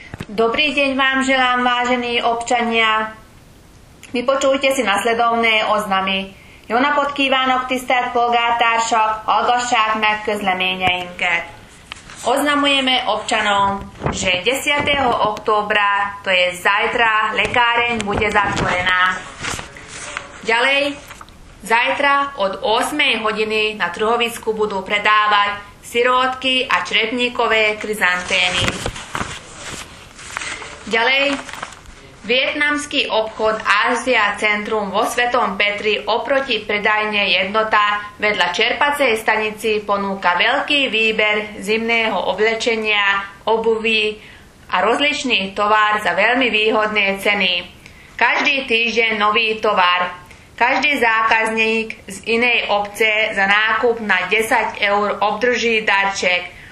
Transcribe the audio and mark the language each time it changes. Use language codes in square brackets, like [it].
[sk] Dobrý deň vám želám, vážení občania. Vypočujte si nasledovné oznamy. [hu] Jó napot kívánok, tisztelt polgártársak, hallgassák meg közleményeinket. [sk] Oznamujeme občanom, že 10. októbra, to je zajtra, lekáreň bude zatvorená. Ďalej, zajtra od 8. hodiny na trhovisku budú predávať sirotky a črepníkové kryzantény. Ďalej, vietnamský obchod Ázia Centrum vo Svetom Petri oproti predajne Jednota vedľa čerpacej stanici ponúka veľký výber zimného oblečenia, obuvi a rozličný tovar za veľmi výhodné ceny. Každý týždeň nový tovar. Každý zákazník z inej obce za nákup na 10 eur obdrží darček.